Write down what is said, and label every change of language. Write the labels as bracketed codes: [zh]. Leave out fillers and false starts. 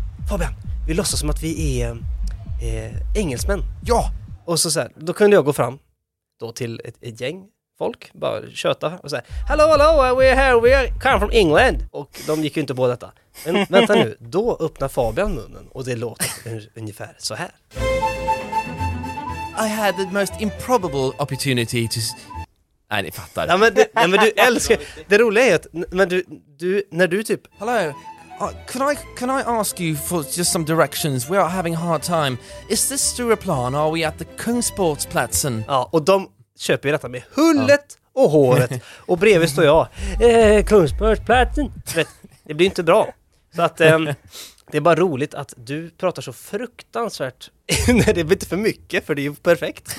[sv] Fabian, vi låtsas som att vi är engelsmän. Ja! Och så här, då kunde jag gå fram då till ett gäng folk. Bara köta och säga, [en] hello, hello, we are here, we are come from England. [sv] Och de gick ju inte på detta. Men vänta nu, då öppnar Fabian munnen och det låter ungefär så här. [en] I had the most improbable opportunity to... [sv] Nej, ni fattar. Ja, men du älskar... Det roliga är att men du, när du typ... [en] Hello, can I ask you for just some directions? We are having a hard time. Is this Stureplan? Are we at the Kungsportsplatsen? [sv] Ja, och de köper ju detta med hullet och håret. Och bredvid står jag. Kungsportsplatsen. Det blir inte bra. Så att... Det är bara roligt att du pratar så fruktansvärt. Nej, det är inte för mycket, för det är ju perfekt.